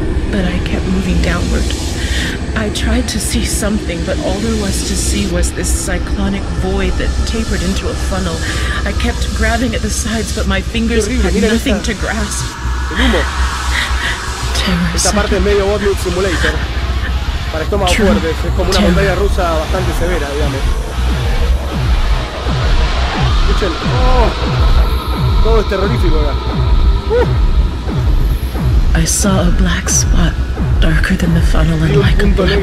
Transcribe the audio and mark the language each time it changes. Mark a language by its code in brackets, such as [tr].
[en] But I kept moving downward. I tried to see something, but all there was to see was this cyclonic void that tapered into a funnel. I kept grabbing at the sides, but my fingers had nothing to grasp. [es] El humo. Terror. Esta parte es medio Wotlook Simulator. Para estómago fuerte, es como una montaña rusa bastante severa, digamos. Escuchen, oh, todo es terrorífico acá. [en] I saw a black spot darker than the funnel and like a black